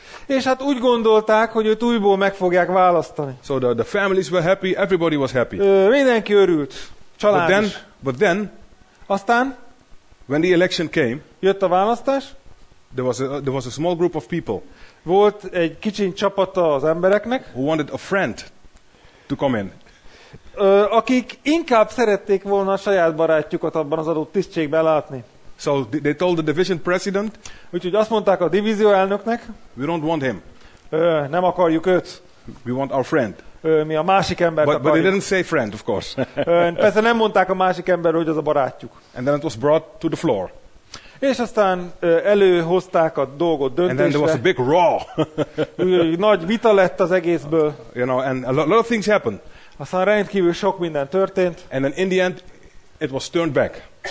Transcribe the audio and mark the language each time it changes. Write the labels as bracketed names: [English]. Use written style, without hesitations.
[Hungarian] És hát úgy gondolták, hogy őt újból meg fogják választani. [English] So the families were happy, everybody was happy. [Hungarian] Mindenki örült, család is. [English] But then, [Hungarian] aztán, [English] when the election came, [Hungarian] jött a választás, [English] there was a small group of people. [Hungarian] Volt egy kicsi csapata az embereknek. [English] Who wanted a friend to come in. [Hungarian] Akik inkább szerették volna a saját barátjukat abban az adott tisztségben látni. [English] So they told the division president. [Hungarian] Úgyhogy azt mondták a divízió elnöknek. [English] We don't want him. [Hungarian] Nem akarjuk őt. [English] We want our friend. [Hungarian] Mi a másik embert akarjuk. [English] But they didn't say friend, of course. [Hungarian] Persze nem mondták a másik emberről, hogy az a barátjuk. [English] And then it was brought to the floor. [Hungarian] És aztán előhozták a dolgot döntésre. [English] And then there was a big raw. [Hungarian] Nagy vita lett az egészből. [English] You know, and a lot of things happened. [Hungarian] Aztán rendkívül sok minden történt. [English] And then in the end, it was turned back.